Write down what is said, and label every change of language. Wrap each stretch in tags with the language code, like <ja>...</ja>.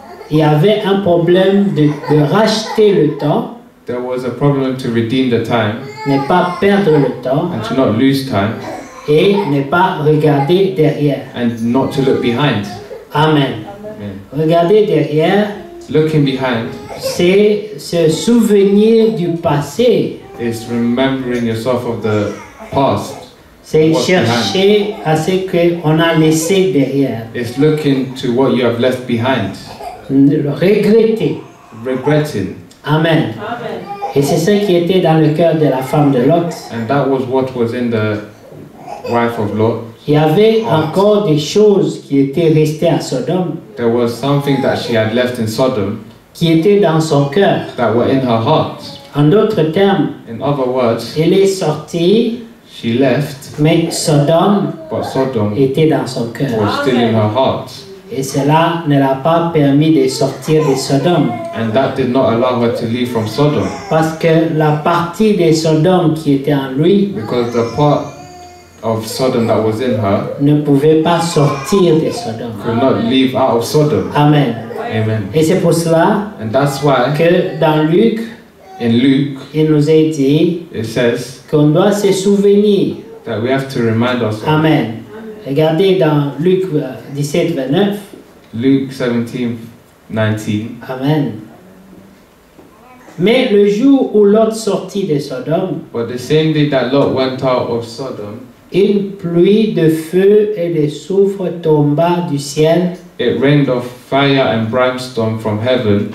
<fr>Il y avait un problème de racheter le temps,</fr> <en>there was a problem to redeem the time,</en> <fr>ne pas perdre le temps,</fr> <en>and to not lose time,</en> <fr>et ne pas regarder derrière,</fr> <en>and not to look behind.</en> <fr>Amen. Regardez derrière.</fr> <en>Looking behind.</en> <fr>C'est se souvenir du passé.</fr> <en>It's remembering yourself of the past.</en> <fr>C'est chercher à ce que on a laissé derrière.</fr> <en>It's looking to what you have left behind.</en> <fr>Regretter.</fr> <en>Regretting. Amen. Amen.</en> <fr>Et c'est ça qui était dans le cœur de la femme de Lot.</fr> <en>And that was what was in the wife of Lot.</en> <fr>Il y avait encore des choses qui étaient restées à Sodom.</fr> <en>There was something that she had left in Sodom.</en> <fr>Qui était dans son cœur.</fr> <en>That were in her heart.</en> <fr>En d'autres termes.</fr> <en>In other words.</en> <fr>Elle est sortie.</fr> <en>She left.</en> <fr>Mais Sodom.</fr> <en>But Sodom.</en> <fr>Était dans son cœur.</fr> <en>Was still in her heart.</en> <fr>Et cela ne l'a pas permis de sortir de Sodom.</fr> <en>And that did not allow her to leave from Sodom.</en> <fr>Parce que la partie de Sodom qui était en lui.</fr> <en>Because the part of Sodom that was in her,</en> <fr>ne pouvait pas sortir de Sodom.</fr> <en>Could not leave out of Sodom. Amen. Amen.</en> <fr>Et c'est pour cela,</fr> <en>and that's why,</en> <fr>que dans Luc,</fr> <en>in Luke,</en> <fr>il nous a dit,</fr> <en>it says,</en> <fr>qu'on doit se souvenir,</fr> <en>that we have to remind ourselves.</en> <fr>Amen. Regardez dans Luc 17, 29.</fr> <en>Luke 17:19. Amen.</en> <fr>Mais le jour où Lot sortit de Sodom,</fr> <en>but the same day that Lot went out of Sodom,</en> <fr>une pluie de feu et de soufre tomba du ciel.</fr> <en>It rained of fire and brimstone from heaven.</en>